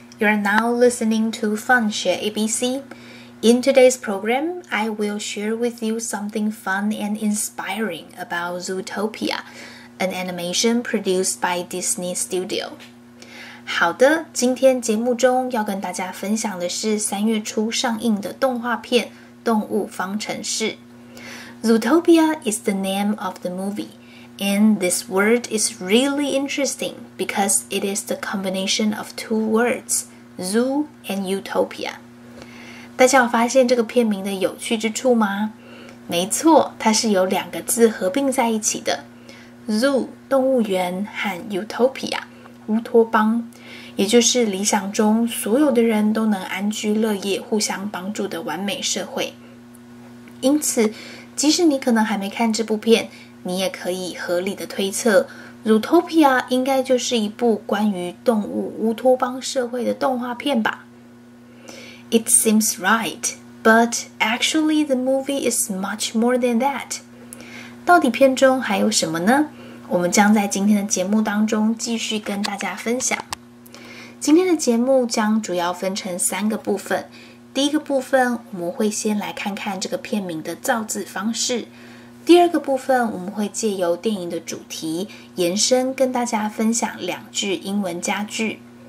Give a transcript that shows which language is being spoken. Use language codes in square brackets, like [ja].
[en] You are now listening to Fun Share ABC. In today's program, I will share with you something fun and inspiring about Zootopia, an animation produced by Disney Studio. [zh] 好的，今天节目中要跟大家分享的是三月初上映的动画片《动物方程式》。 [en] Zootopia is the name of the movie. And this word is really interesting because it is the combination of two words, zoo and utopia. [zh] 大家有发现这个片名的有趣之处吗？没错，它是由两个字合并在一起的。 Zoo, 动物园和 utopia, 乌托邦，也就是理想中所有的人都能安居乐业、互相帮助的完美社会。因此，即使你可能还没看这部片，你也可以合理的推测 Zootopia 应该就是一部关于动物乌托邦社会的动画片吧。 [en] It seems right, but actually the movie is much more than that. [zh] 到底片中还有什么呢？我们将在今天的节目当中继续跟大家分享。今天的节目将主要分成三个部分。第一个部分，我们会先来看看这个片名的造字方式。第二个部分，我们会借由电影的主题延伸跟大家分享两句英文佳句。